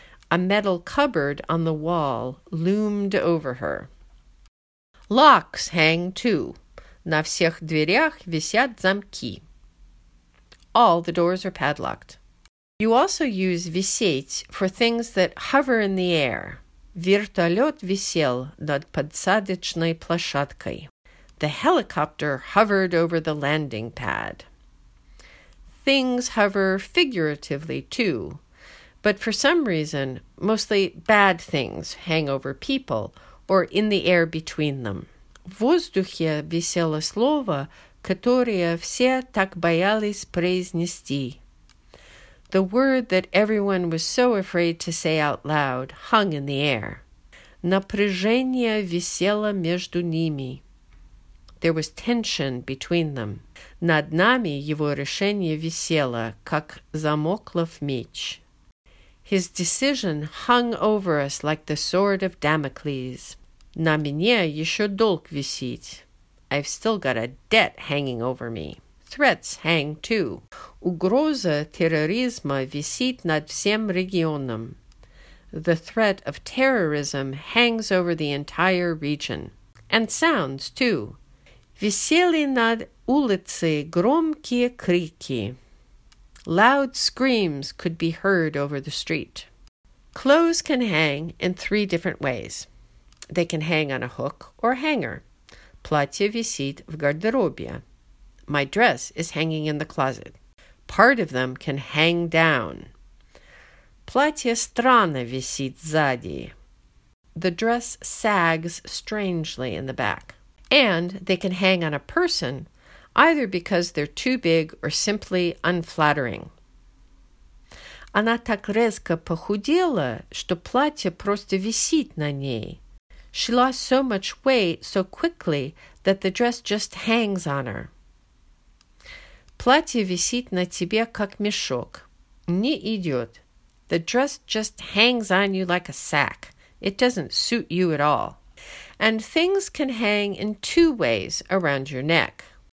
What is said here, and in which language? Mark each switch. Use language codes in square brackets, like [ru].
[en] A metal cupboard on the wall loomed over her. Locks hang too. [ru] На всех дверях висят замки. [en] All the doors are padlocked. You also use висеть for things that hover in the air. [ru] Вертолет висел над подсадочной площадкой. [en] The helicopter hovered over the landing pad. Things hover figuratively too. But for some reason, mostly bad things hang over people or in the air between them. [ru] В воздухе висело слово, которое все так боялись произнести. [en] The word that everyone was so afraid to say out loud hung in the air. [ru] Напряжение висело между ними. [en] There was tension between them. [ru] Над нами его решение висело, как замоклов меч. [en] His decision hung over us like the sword of Damocles. [ru] На мне еще долг висит. [en] I've still got a debt hanging over me. Threats hang too. [ru] Угроза терроризма висит над всем регионом. [en] The threat of terrorism hangs over the entire region. And sounds too. [ru] Висели над улицей громкие крики. [en] Loud screams could be heard over the street. Clothes can hang in three different ways. They can hang on a hook or hanger. [ru] Платье висит в гардеробе. [en] My dress is hanging in the closet. Part of them can hang down. [ru] Платье странно висит сзади. [en] The dress sags strangely in the back. And they can hang on a person, either because they're too big or simply unflattering. [ru] Она так резко похудела, что платье просто висит на ней. [en] She lost so much weight so quickly that the dress just hangs on her. [ru] Платье висит на тебе, как мешок. Не идет. [en] The dress just hangs on you like a sack. It doesn't suit you at all. And things can hang in two ways around your neck.